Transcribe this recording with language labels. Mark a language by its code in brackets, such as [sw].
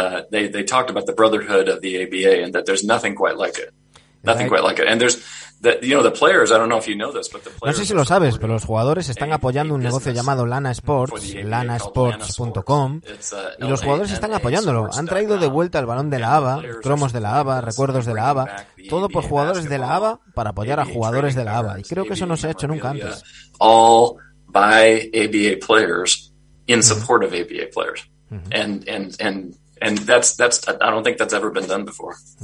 [en] They talked about the brotherhood of the ABA and that there's nothing quite like it. Nothing quite like it. And there's the players, I don't know if you know this, but the players. [es] No sé si lo sabes, pero los jugadores están apoyando un negocio llamado Lana Sports, lanasports.com, y los jugadores están apoyándolo. Han traído de vuelta el balón de la ABA, cromos de la ABA, recuerdos de la ABA, todo por jugadores de la ABA para apoyar a jugadores de la ABA. Y creo que eso no se ha hecho nunca antes. [en] All by ABA players in support of ABA players. And that's I don't think that's ever been done before.